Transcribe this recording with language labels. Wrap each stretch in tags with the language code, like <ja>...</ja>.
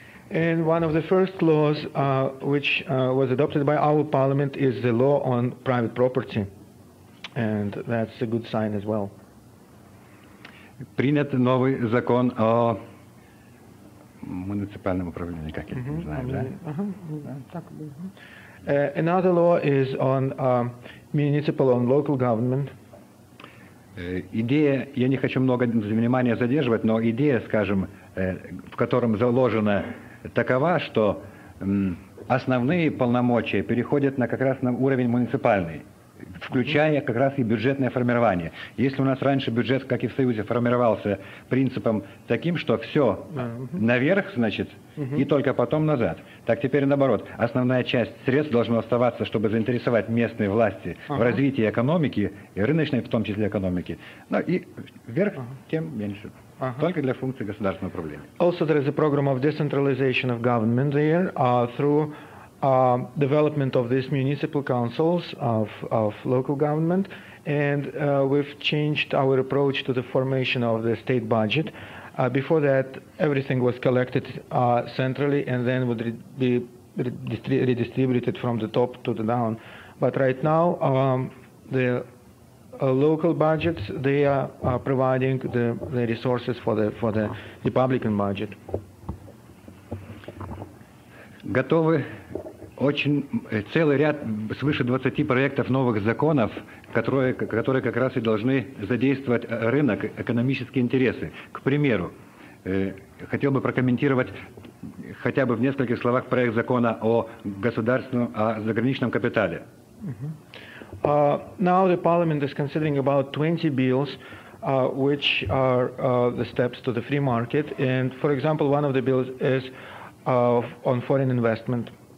<en>And one of the first laws which was adopted by our parliament is the law on private property. And that's a good sign as well.</en> <ru>Принят новый закон о муниципальном управлении, как я не знаю, да?</ru> <en>Another law is on municipal and local government.</en> <ru>Идея, я не хочу много внимания задерживать, но идея, скажем, в котором заложена такова, что основные полномочия переходят на как раз на уровень муниципальный, включая как раз и бюджетное формирование. Если у нас раньше бюджет, как и в Союзе, формировался принципом таким, что все наверх, значит, и только потом назад, так теперь наоборот. Основная часть средств должна оставаться, чтобы заинтересовать местные власти в развитии экономики, и рыночной в том числе экономики. Ну и вверх, тем меньше. Только для функции государственного управления.</ru> <en>Also there is a program of decentralization of government there through development of these municipal councils of local government, and we've changed our approach to the formation of the state budget. Before that, everything was collected centrally and then would be redistributed from the top to the down. But right now, the local budgets, they are providing the resources for the republican budget.</en> <ru>Готовы очень целый ряд свыше 20 проектов новых законов, которые как раз и должны задействовать рынок, экономические интересы. К примеру, хотел бы прокомментировать хотя бы в нескольких словах проект закона о государственном, о заграничном капитале.</ru> <en>Now the parliament is considering about 20 bills, which are the steps to the free market. And, for example, one of the bills is on foreign investment.</en>